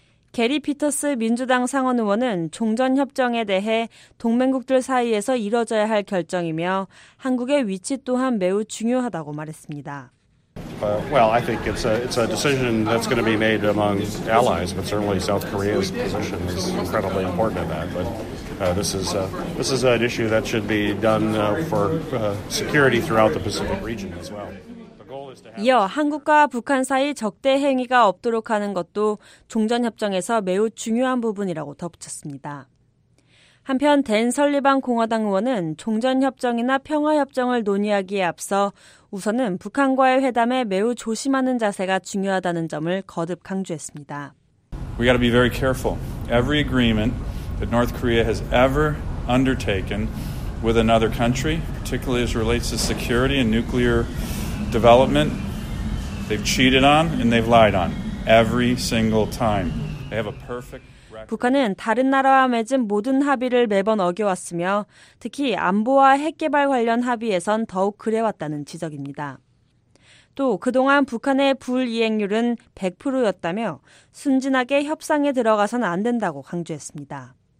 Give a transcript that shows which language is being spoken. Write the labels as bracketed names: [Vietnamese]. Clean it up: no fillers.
[Korean] 게리 피터스 민주당 상원 의원은 종전협정에 대해 동맹국들 사이에서 이뤄져야 할 결정이며 한국의 위치 또한 매우 중요하다고 말했습니다. [English] Well, I think it's a decision that's going to be made among allies, but certainly South Korea's position is incredibly important in that. But this is an issue that should be done for security throughout the Pacific region as well. [Korean] 이어 한국과 북한 사이 적대 행위가 없도록 하는 것도 종전협정에서 매우 중요한 부분이라고 덧붙였습니다. 한편 댄 설리반 공화당 의원은 종전협정이나 평화협정을 논의하기에 앞서 우선은 북한과의 회담에 매우 조심하는 자세가 중요하다는 점을 거듭 강조했습니다. [English] We got to be very careful. Every agreement that North Korea has ever undertaken with another country, particularly as relates to security and nuclear development, they've cheated on and they've lied on every single time. They have a perfect [Korean] 북한은 다른 나라와 맺은 모든 합의를 매번 어겨왔으며 특히 안보와 핵개발 관련 합의에선 더욱 그래왔다는 지적입니다. 또 그동안 북한의 불이행률은 100%였다며 순진하게 협상에 들어가선 안 된다고 강조했습니다.